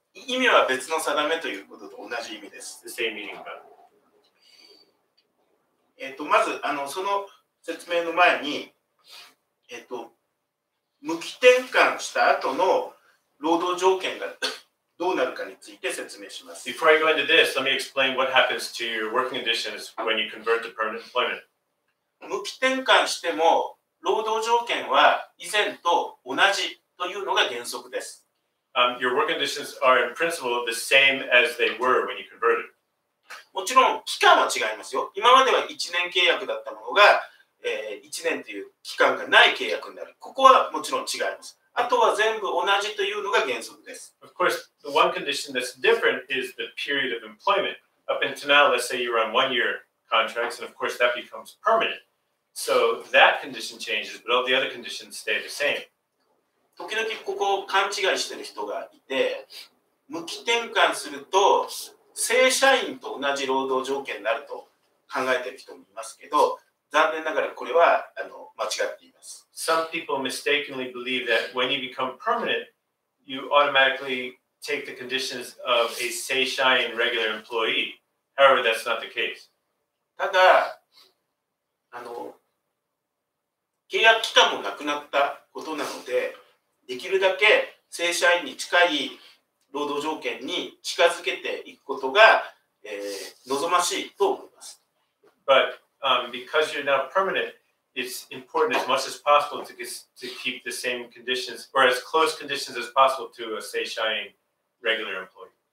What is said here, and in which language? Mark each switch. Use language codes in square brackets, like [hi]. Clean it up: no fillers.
[ja] 意味は別の定めということと同じ意味です。 [en] The same meaning, but... [ja] まず、その説明の前に、無期転換した後の労働条件がどうなるかについて説明します。 [en] Before I go into this, let me explain what happens to your working conditions when you convert to permanent employment. [ja] 無期転換しても労働条件は以前と同じというのが原則です。 [en] Your work conditions are in principle the same as they were when you converted. [ja] もちろん期間は違いますよ。今までは1年契約だったものが、1年という期間がない契約になる。ここはもちろん違います。あとは全部同じというのが原則です。 [en] Of course, the one condition that's different is the period of employment. Up until now, let's say you're on 1 year. Contracts, and of course that becomes permanent. So that condition changes, but all the other conditions stay the same. [ja] 時々ここを勘違いしてる人がいて、無期転換すると正社員と同じ労働条件になると考えてる人もいますけど、残念ながらこれは間違っています。 [en] Some people mistakenly believe that when you become permanent, you automatically take the conditions of a 正社員 regular employee. However, that's not the case. [ja] ただ、契約期間もなくなったことなので、できるだけ正社員に近い労働条件に近づけていくことが、望ましいと思います。 [en] But, because you're now permanent, it's important as much as possible to keep the same conditions or as close conditions as possible to a 正社員 regular employee.